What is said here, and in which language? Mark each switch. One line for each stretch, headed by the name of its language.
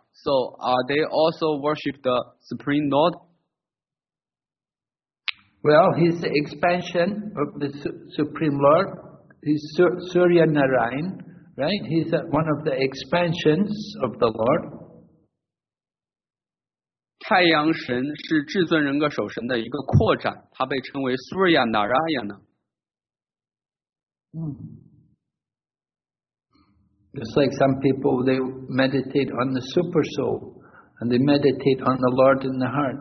English: So are they also worship the Supreme Lord? Well, he's the expansion of the Supreme Lord. He's Surya Narayan, right? He's one of the expansions of the Lord.
Chinese: 太阳神是至尊人格守神的一个扩展，他被称为 Surya Narayan。
English: Just like some people, they meditate on the Super Soul, and they meditate on the Lord in the heart.